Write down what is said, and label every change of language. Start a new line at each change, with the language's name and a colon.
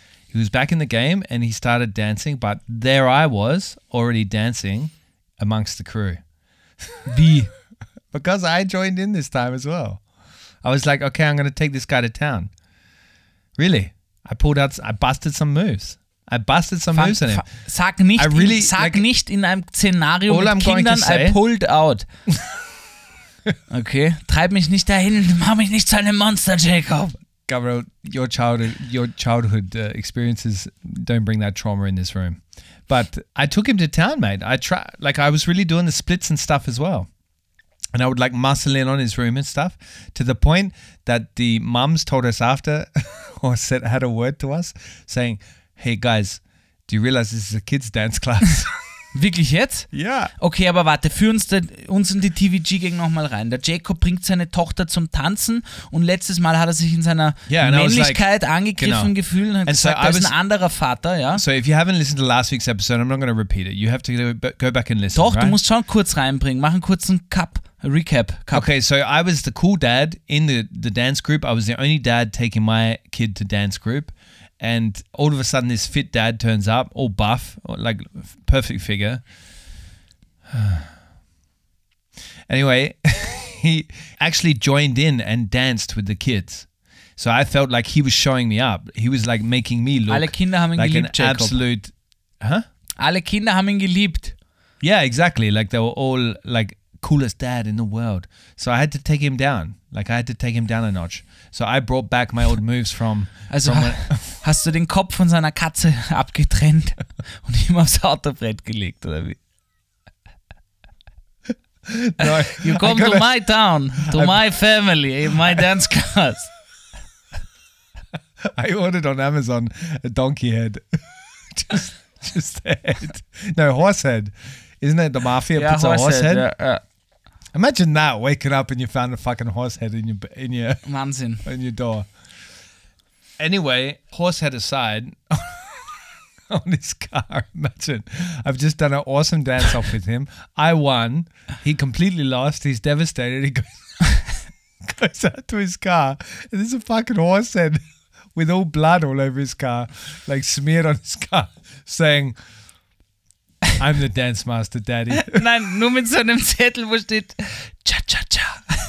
English: He was back in the game and he started dancing, but there I was already dancing amongst the crew. Because I joined in this time as well. I was like, okay, I'm going to take this guy to town. Really? I busted some moves on him.
German: Sag nicht in einem Szenario mit Kindern,
English: I pulled out.
German: Okay, treib mich nicht dahin, mach mich nicht zu einem Monster, Jacob.
English: Gabriel, your childhood experiences don't bring that trauma in this room. But I took him to town, mate. I was really doing the splits and stuff as well. And I would like muscle in on his room and stuff to the point that the mums told us after or said had a word to us saying, hey guys, do you realize this is a kids' dance class?
German: Wirklich jetzt? Ja. Okay, aber warte, führ uns in die TVG-Gang nochmal rein. Der Jacob bringt seine Tochter zum Tanzen und letztes Mal hat er sich in seiner Männlichkeit angegriffen gefühlt und hat gesagt, er ist ein anderer Vater, ja.
English: So if you haven't listened to last week's episode, I'm not going to repeat it. You have to go back and listen.
German: Doch, right? Du musst schon kurz reinbringen. Mach einen kurzen Recap.
English: Okay, so I was the cool dad in the dance group. I was the only dad taking my kid to dance group. And all of a sudden, this fit dad turns up, all buff, like perfect figure. Anyway, he actually joined in and danced with the kids. So I felt like he was showing me up. He was like making me look
German: alle Kinder haben ihn
English: like
German: geliebt, an Jacob.
English: Absolute... Huh?
German: Alle Kinder haben ihn geliebt.
English: Yeah, exactly. Like they were all like coolest dad in the world. So I had to take him down. Like I had to take him down a notch. So I brought back my old moves from...
German: Hast du den Kopf von seiner Katze abgetrennt und ihm aufs Autobrett gelegt, oder wie?
English: No, you come to my town, my family, in my dance class. I ordered on Amazon a donkey head. just a head. No, horse head. Isn't it the mafia puts a horse head? Yeah. Imagine that, waking up and you found a fucking horse head in your
German: Wahnsinn.
English: In your door. Anyway, horse head aside, on his car, imagine, I've just done an awesome dance off with him. I won. He completely lost. He's devastated. He goes, goes out to his car, and there's a fucking horse head with all blood all over his car, like smeared on his car, saying, I'm the dance master, daddy.
German: Nein, nur mit so einem Zettel, wo steht, cha cha cha.